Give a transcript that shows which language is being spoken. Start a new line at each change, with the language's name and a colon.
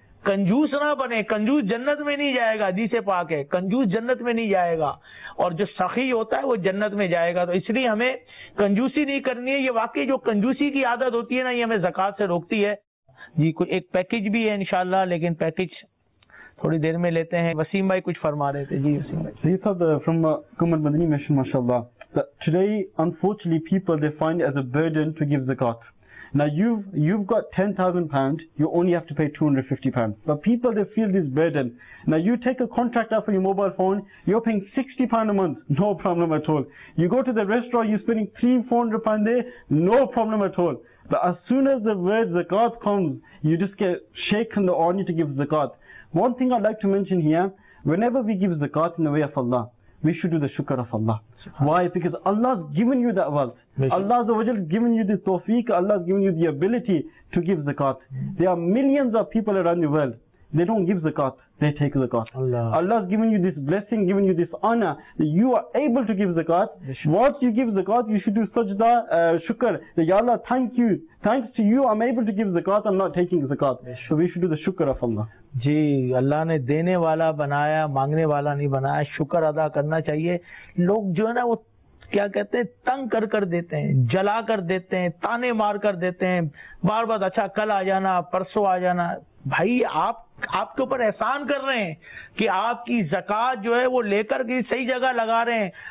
Hindi: कंजूस ना बने, कंजूस जन्नत में नहीं जाएगा, हदीसे पाक है, कंजूस जन्नत में नहीं जाएगा, और जो सखी होता है वो जन्नत में जाएगा. तो इसलिए हमें कंजूसी नहीं करनी है. ये वाकई जो कंजूसी की आदत होती है ना, ये हमें जकात से रोकती है. जी, कुछ एक पैकेज भी है इंशाल्लाह, लेकिन पैकेज थोड़ी देर में लेते हैं. वसीम भाई कुछ फरमा रहे थे. जी वसीम भाई,
English: From Qamar Madni mission, माशाल्लाह. That today, unfortunately, people they find it as a burden to give zakat. Now you've got £10,000, you only have to pay £250. But people, they feel this burden. Now you take a contractor for your mobile phone, you're paying £60 a month, no problem at all. You go to the restaurant, you're spending £300-400 there, no problem at all. But as soon as the word zakat comes, you just get shaken the honor to give zakat. One thing I'd like to mention here, whenever we give zakat in the way of Allah, we should do the shukr of Allah. Why? Because Allah's given you that wealth. Allah has given you the tawfiq, Allah has given you the ability to give zakat. There are millions of people around the world, they don't give zakat, they take zakat. Allah has given you this blessing, given you this honor, that you are able to give zakat. Once you give zakat, you should do sajda, shukr. Ya Allah, thank you. Thanks to you, I'm able to give zakat, I'm not taking zakat. So we should do the shukr of Allah.
Hindi: जी अल्लाह ने देने वाला बनाया, मांगने वाला नहीं बनाया. शुक्र अदा करना चाहिए. लोग जो है ना वो क्या कहते हैं, तंग कर कर देते हैं, जला कर देते हैं, ताने मार कर देते हैं बार बार. अच्छा कल आ जाना, परसों आ जाना. भाई आपके ऊपर एहसान कर रहे हैं कि आपकी जकात जो है वो लेकर के सही जगह लगा रहे हैं.